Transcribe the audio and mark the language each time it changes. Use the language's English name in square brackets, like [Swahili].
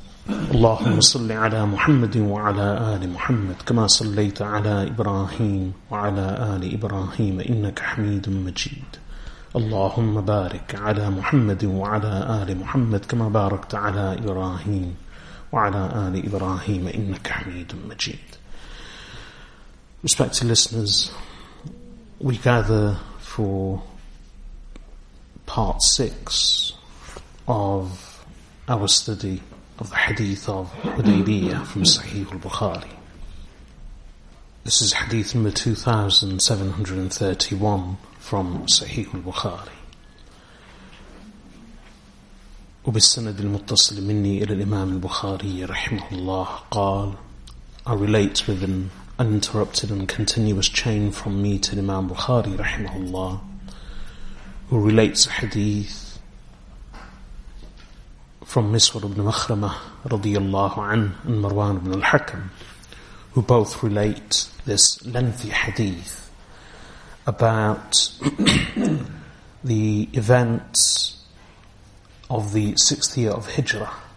[Arabic] اللهم صل على محمد وعلى آل محمد كما صليت على إبراهيم وعلى آل إبراهيم إنك حميد مجيد. اللهم بارك على محمد وعلى آل محمد كما باركت على إبراهيم وعلى آل إبراهيم إنك حميد مجيد. [English] Respected listeners, we gather for part 6 of our study of the hadith of Hudaybiyah from Sahih al-Bukhari. This is hadith number 2731 from Sahih al-Bukhari. [Arabic] وبالسند المتصل مني إلى الإمام البخاري رحمه الله قال. [English] I relate with an uninterrupted and continuous chain from me to Imam Bukhari رحمه الله, who relates a hadith from Miswar ibn Makhramah radiyallahu an and Marwan ibn al-Hakam, who both relate this lengthy hadith about the events of the sixth year of Hijrah,